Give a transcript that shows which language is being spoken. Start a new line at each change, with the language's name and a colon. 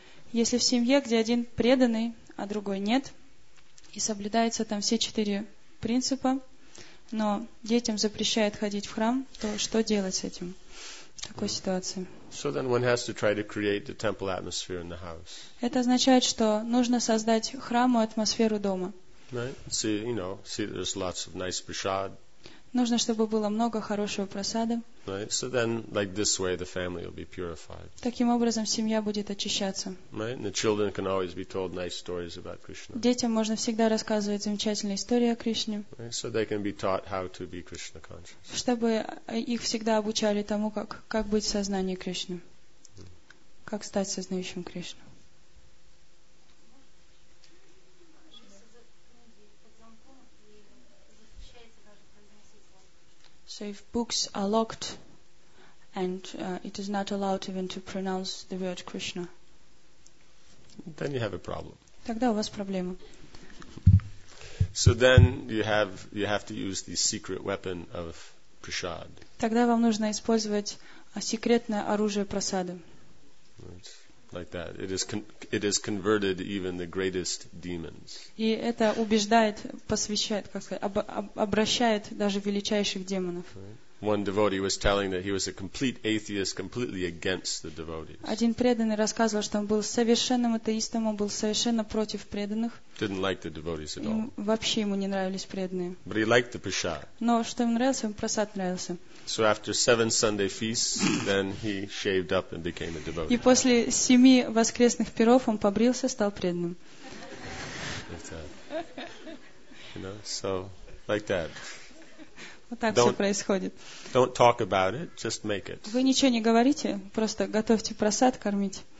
Russian: Если в семье, где один преданный, а другой нет, и соблюдаются там все четыре принципа, но детям запрещают ходить в храм, то что делать с этим? В такой ситуации.
English: So then one has to try to create the temple atmosphere in the house.
Russian: Это означает, что нужно создать храму атмосферу дома.
English: Right? See, you know, see there's lots of nice prasad.
Russian: Нужно, чтобы было много хорошего просады.
English: Right. So then, like this way, the family will be purified.
Russian: Таким образом, семья будет очищаться.
English: Right. And the children can always be told nice stories about Krishna.
Russian: Детям можно всегда рассказывать замечательные истории о Кришне.
English: Right. So they can be taught how to be Krishna conscious.
Russian: Чтобы их всегда обучали тому, как быть в сознании Кришны. Mm. Как стать сознающим Кришну.
English: So if books are locked and it is not allowed even to pronounce the word Krishna, then you have a problem.
Russian: Тогда у вас проблема.
English: So then you have to use the secret weapon of prasad.
Russian: Тогда вам нужно использовать секретное оружие прасады.
English: Like that. It is converted even the greatest demons.
Russian: И это убеждает, посвящает, как сказать, обращает даже величайших демонов.
English: Right. One devotee was telling that he was a complete atheist, completely against the devotees.
Russian: Один преданный рассказывал, что он был совершенным атеистом, он был совершенно против преданных.
English: Didn't like the devotees at all.
Russian: Вообще ему не нравились преданные.
English: But he liked the prasad.
Russian: Но что ему нравилось, ему прасад нравился.
English: So after seven Sunday feasts, then he shaved up and became a devotee.
Russian: И после семи воскресных пиров он побрился, стал преданным.
English: So, like that.
Russian: Вот так все происходит.
English: Don't talk about it, just make it.
Russian: Вы ничего не говорите, просто готовьте просад, кормите.